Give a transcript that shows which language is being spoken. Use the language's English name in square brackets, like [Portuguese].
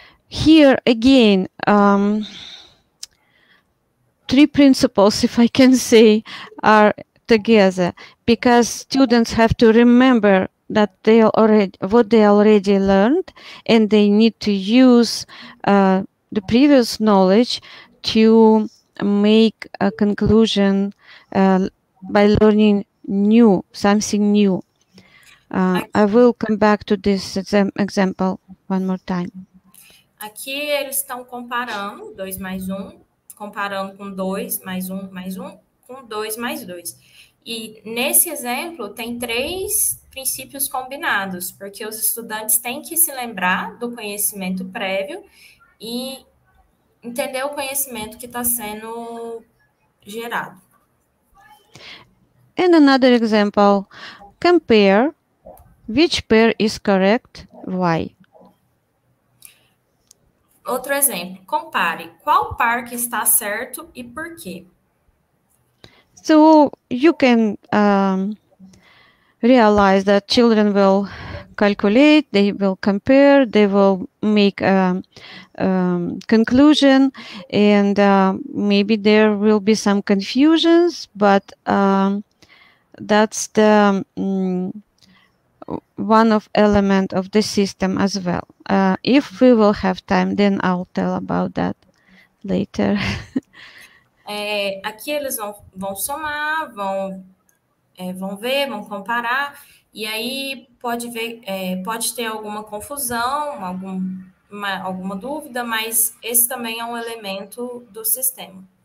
[English] Here again, three principles, if I can say, are together because students have to remember that they already what they already learned, and they need to use the previous knowledge to make a conclusion by learning new something new. I will come back to this example one more time. [Portuguese] Aqui eles estão comparando 2 mais 1, comparando com 2 mais 1 mais 1, com 2 mais 2. E nesse exemplo tem três princípios combinados, porque os estudantes têm que se lembrar do conhecimento prévio e entender o conhecimento que está sendo gerado. [English] And another example, compare which pair is correct, why? [Portuguese] Outro exemplo, compare qual par que está certo e por quê? [English] So you can realize that children will calculate, they will compare, they will make a conclusion, and maybe there will be some confusions, but that's the one of element of the system as well. If we will have time, then I'll tell about that later. [Portuguese] Aqui eles vão somar, vão ver, vão comparar, e aí pode ver, pode ter alguma confusão, alguma dúvida, mas esse também é um elemento do sistema.